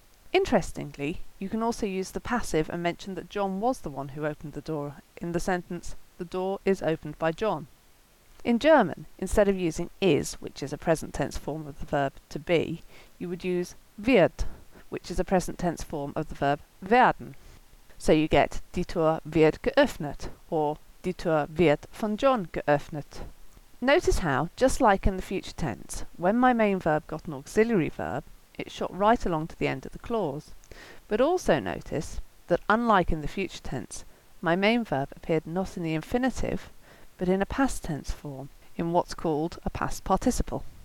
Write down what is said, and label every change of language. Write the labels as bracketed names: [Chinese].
[English] Interestingly, you can also use the passive and mention that John was the one who opened the door in the sentence, "The door is opened by John." In German, instead of using is, which is a present tense form of the verb to be, you would use wird, which is a present tense form of the verb werden. So you get, [German] "Die Tür wird geöffnet," or "Die Tür wird von John geöffnet." [English] Notice how, just like in the future tense, when my main verb got an auxiliary verb, it shot right along to the end of the clause. But also notice that, unlike in the future tense, my main verb appeared not in the infinitive, but in a past tense form, in what's called a past participle.